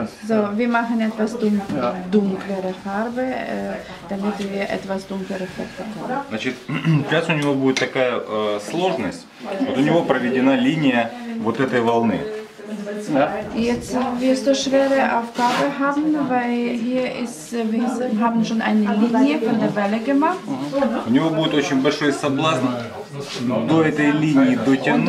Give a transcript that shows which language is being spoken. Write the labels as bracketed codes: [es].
[de] So, wir machen etwas dunklere Farbe, damit wir etwas dunklere Farbe haben. [ru] Значит, сейчас у него будет такая сложность. Вот у него проведена линия вот этой волны. Ja. [de] Jetzt wirst du schwere Aufgabe haben, weil hier ist, wir haben schon eine Linie von der Welle gemacht. [ru] У него будет очень большой соблазн до этой линии дотянуть.